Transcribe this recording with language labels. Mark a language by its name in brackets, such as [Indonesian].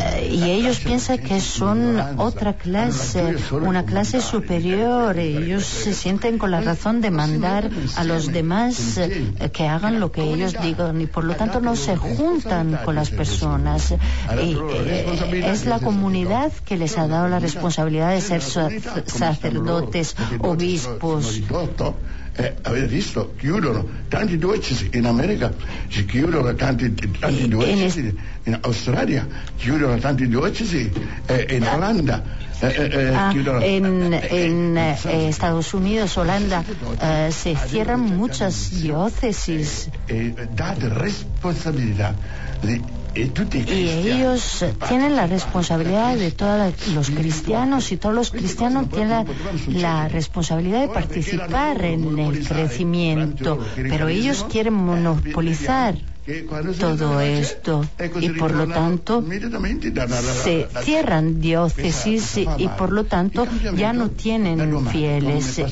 [Spanish] y ellos piensan que son otra clase, una clase superior, y ellos se sienten con la razón de mandar a los demás que hagan lo que ellos digan, y por lo tanto no se juntan con las personas. Y es la comunidad que les ha dado la responsabilidad de ser sacerdotes, obispos. [Italian] Avete visto, chiudono tanti diocesi in America, si chiudono tanti diocesi in Australia, chiudono tanti diocesi in Olanda. [Spanish] En Estados Unidos, Holanda, se cierran muchas diócesis. Date responsabilidad de. Y ellos tienen la responsabilidad de todos los cristianos, y todos los cristianos tienen la responsabilidad de participar en el crecimiento, pero ellos quieren monopolizar todo esto, y por lo tanto se cierran diócesis, y por lo tanto ya no tienen fieles.